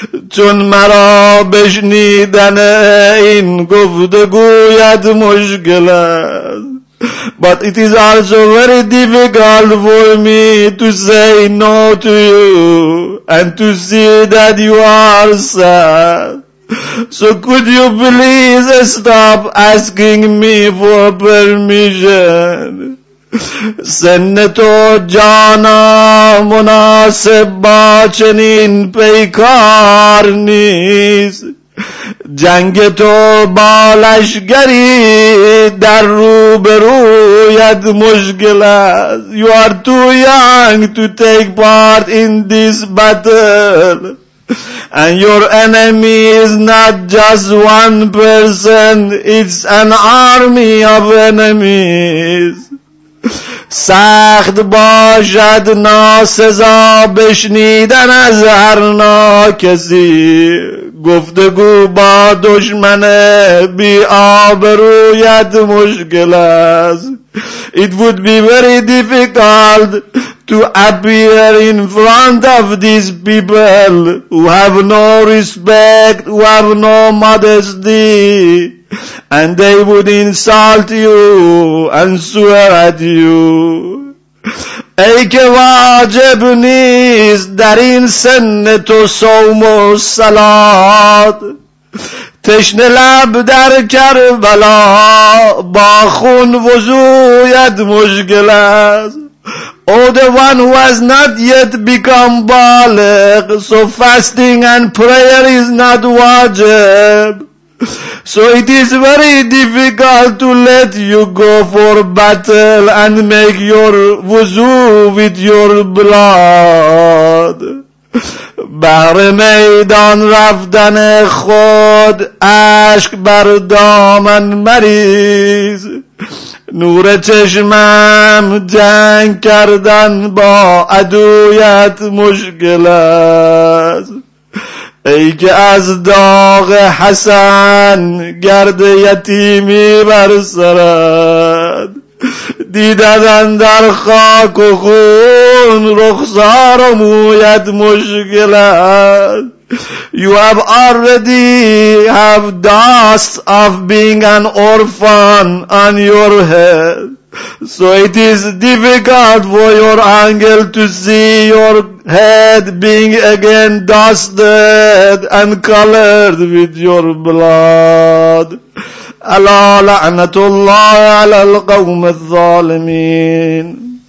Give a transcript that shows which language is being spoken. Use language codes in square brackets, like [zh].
[fa] چون مرا بشنیدن این گفتگویت مشکل است. [en] But it is also very difficult for me to say no to you and to see that you are sad. So could you please stop asking me for permission. [fa] سن تو جانا مناسب با چنین پیکار نیست، جنگ تو با لشگری در روبرویت مشکل است. [en] You are too young to take part in this battle, and your enemy is not just one person, it's an army of enemies. [fa] سخت باشد ناسزا بشنیدن از هر ناکسی، گفتگو با دشمن بی آبرویت مشکل است. [en] It would be very difficult to appear in front of these people who have no respect, who have no modesty, and they would insult you and swear at you. [fa] ای که واجب نیست در این سن تو صوم و صلات، تشنه لب در کربلا با خون وضویت مشکل است. [en] Oh, the one who has not yet become baligh, so fasting and prayer is not wajib. So it is very difficult to let you go for battle and make your wuzu with your blood. [fa] بر میدان رفتن خود عشق بر دامن مریز، نور چشمم جنگ کردن با عدویت مشکل است. ای که از داغ حسن گرد یتیمی بر سرد، دیدن در خاک و خون رخسار و مویت مشکل است. [en] You have already have dust of being an orphan on your head, so it is difficult for your uncle to see your head being again dusted and colored with your blood. [ar] ألا لعنة الله على القوم الظالمين.